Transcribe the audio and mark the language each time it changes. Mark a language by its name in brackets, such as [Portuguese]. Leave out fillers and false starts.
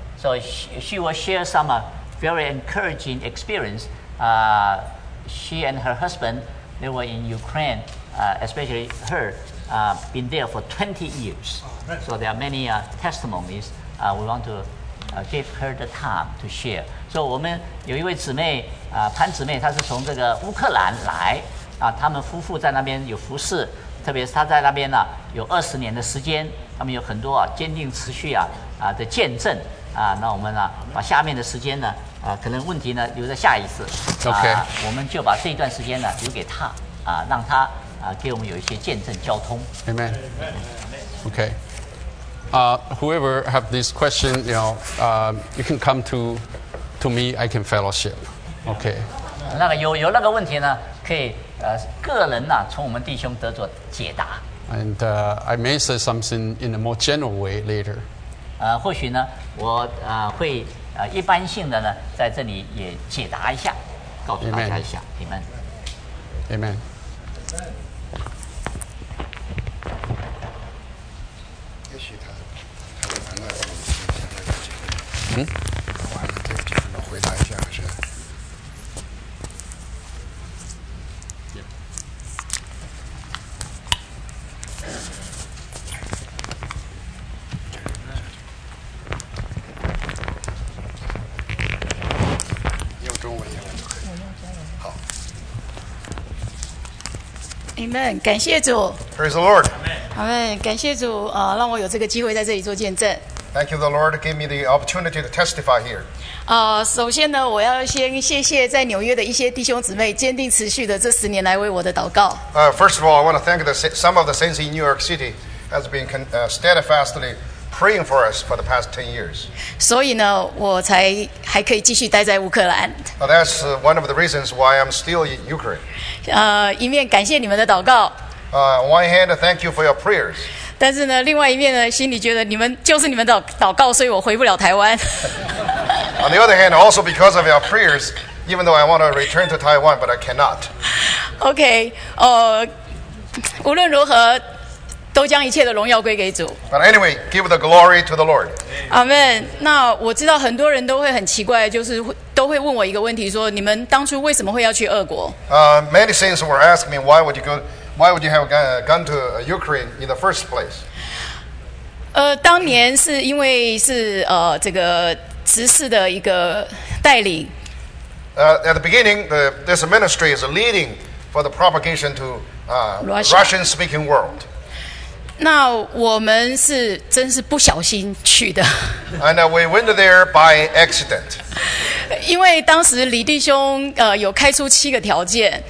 [English] So she will share some. Very encouraging experience. She and her husband, they were in Ukraine, especially her, been there for 20 years. So there are many testimonies. We want to give her the time to share. [Chinese] So 我们有一位姊妹，潘姊妹，她是从这个乌克兰来，他们夫妇在那边有服事，特别是她在那边呢、啊、有20年的时间，他们有很多坚定持续的见证。那我们把下面的时间呢，可能问题呢留在下一次，我们就把这段时间呢留给他，让他给我们有一些见证交通。 [English] Amen. Okay. Whoever have this question, you can come to me. I can fellowship. Okay. [Chinese] 那个有那个问题呢，可以个人呢、啊、从我们弟兄得着解答。 [English] And I may say something in a more general way later. [Chinese] 或许呢，我会。一般性的呢，在这里也解答一下，告诉大家一下。 [English] Amen. Amen. [Chinese] Amen, 感谢主。 [English] Praise the Lord. [Chinese] Amen, 感谢主，让我有这个机会在这里做见证。 [English] Thank you, the Lord, gave me the opportunity to testify here. [Chinese] 首先呢，我要先谢谢在纽约的一些弟兄姊妹坚定持续的这十年来为我的祷告。 [English] First of all, I want to thank some of the saints in New York City has been steadfastly praying for us for the past 10 years. [Chinese] 所以呢，我才还可以继续待在乌克兰。 [English] That's one of the reasons why I'm still in Ukraine. [Chinese] 一面感谢你们的祷告。 [English] One hand, thank you for your prayers. [Chinese] 但是呢，另外一面呢，心里觉得你们就是你们的祷告，所以我回不了台湾。 [English] On the other hand, also because of your prayers, even though I want to return to Taiwan, but I cannot. [Chinese] Okay. 无论如何。都将一切的荣耀归给主。 [English] But anyway, give the glory to the Lord. Amen. [Chinese] 那我知道很多人都会很奇怪，就是都会问我一个问题，说你们当初为什么会要去俄国？ [English] Many saints were asking me why would you go, why would you have gone to Ukraine in the first place? [Chinese] 当年是因为是这个执事的一个带领。 [English] At the beginning, this ministry is leading for the propagation to Russian speaking world. [Chinese] 那我们是真是不小心去的。 [English] And we went there by accident. [Chinese] 因为当时李弟兄有开出七个条件。